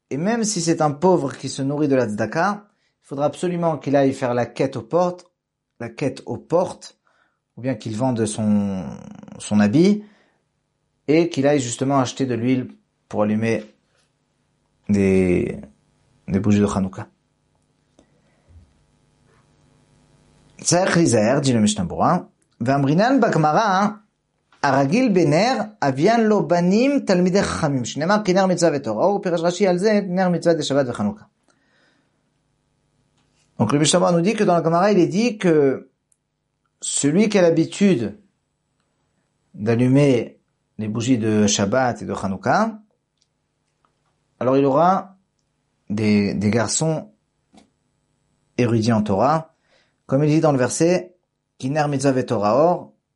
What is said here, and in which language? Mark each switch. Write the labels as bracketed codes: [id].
[fr] Et même si c'est un pauvre qui se nourrit de la tzedaka, il faudra absolument qu'il aille faire la quête aux portes, ou bien qu'il vende son habit, et qu'il aille justement acheter de l'huile pour allumer des bougies de Hanouka. [he] Tzarech lizer, [fr] dit le [he] Mishnah Berurah, v'amrinan bagmara, הרגיל בנר אביאן לו בנים תלמידי חכמים שנאמר כי נר מצווה ותורה הוא פירש רש"י על זה נר מצווה דשבת וחנוכה. [fr] Donc le Mishnah Berurah nous dit que dans la Gemara il est dit que celui qui a l'habitude d'allumer les bougies de Shabbat et de Hanouka, alors il aura des garçons érudits en Torah, comme il dit dans le verset qui [he] ner mitzvah ve'torah or.